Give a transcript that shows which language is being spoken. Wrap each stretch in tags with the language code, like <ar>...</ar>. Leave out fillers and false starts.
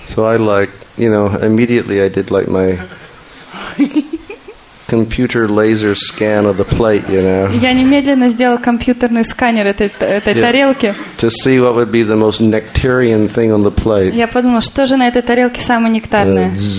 <en>So I like, you know, immediately I did like my computer laser scan of the plate, you know.</en> <ru>Я немедленно сделал компьютерный сканер этой тарелки.</ru> <en>To see what would be the most nectarian thing on the plate.</en> <ru>Я подумал, что же на этой тарелке самое нектарное.</ru>